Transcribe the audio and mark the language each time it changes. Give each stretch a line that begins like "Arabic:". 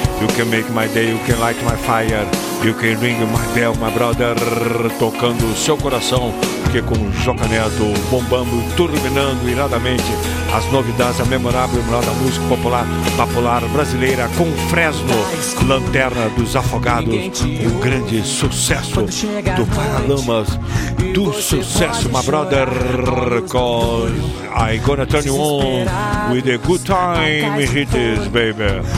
English: You can make my day, you can light my fire, you can ring my bell, my brother.
Portuguese: Tocando o seu coração, que com o Joca Neto, bombando, turbinando iradamente as novidades, a memorável melhor da música popular, popular brasileira, com Fresno, Lanterna dos Afogados, o grande sucesso do Paralamas, do sucesso,
English: my brother. Cause I gonna turn you on with a good time, hit this, baby.